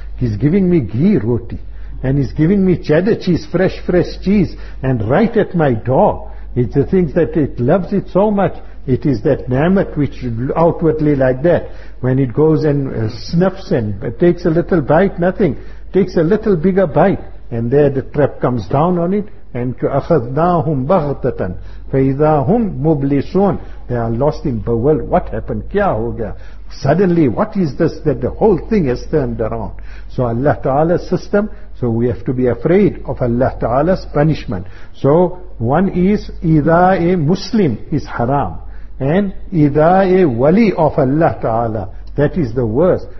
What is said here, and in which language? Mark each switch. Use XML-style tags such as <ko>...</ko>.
<en>He's giving me ghee roti. And he's giving me cheddar cheese, fresh cheese, and right at my door. It's the things that it loves it so much. It is that ni'mat which outwardly like that. When it goes and snuffs and takes a little bite, nothing. Takes a little bigger bite. And there the trap comes down on it. And</en> <ar>أَخَذْنَاهُمْ بَغْتَةً فَإِذَا هُمْ مُبْلِسُونَ.</ar> <en>They are lost in bewil. What happened?</en> <ur>Kya ho gaya?</ur> <en>Suddenly, what is this that the whole thing has turned around? So Allah Ta'ala's system, so we have to be afraid of Allah Ta'ala's punishment. So one is, إِذَا a Muslim is haram. And إِذَا a Wali of Allah Ta'ala, that is the worst.</en>